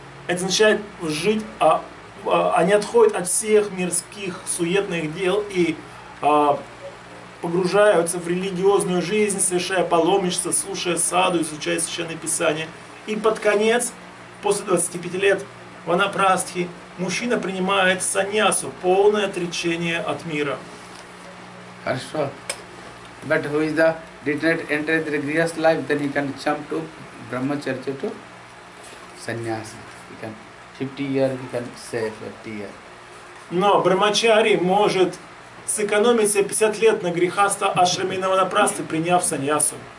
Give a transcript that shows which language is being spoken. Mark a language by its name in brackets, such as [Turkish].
[Russian] Это означает жить, они отходят от всех мирских суетных дел и погружаются в религиозную жизнь, совершая паломничество, слушая саду, изучая священное писание. И под конец, после 25 лет ванапрастхи, мужчина принимает саньясу, полное отречение от мира. Хорошо. [English] But who is the did not enter the religious life, then he can jump to brahmacharya to sannyasa. He can 50 years, he can save 50 years. [Russian] Но брахмачари может сэкономить себе 50 лет на грехаста ашраме и на ванапрасте, приняв саньясу.